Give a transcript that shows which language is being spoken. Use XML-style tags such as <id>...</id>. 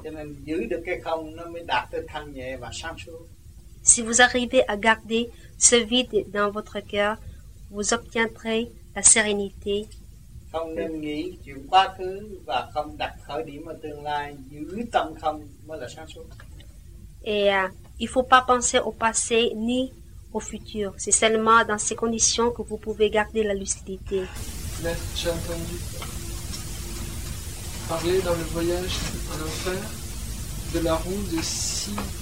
<vi>Cho nên giữ được cái không nó mới đạt tới thanh nhẹ và sáng suốt.</vi> <fr>Si vous arrivez à garder ce vide dans votre cœur, vous obtiendrez la sérénité.</fr> <vi>Không nên nghĩ chuyện quá khứ và không đặt khởi điểm ở tương lai, giữ tâm không mới là sáng suốt.</vi> <fr>Il ne faut pas penser au passé ni au futur. C'est seulement dans ces conditions que vous pouvez garder la lucidité. Mais j'ai entendu parler dans le voyage en enfer de la roue de six...</fr>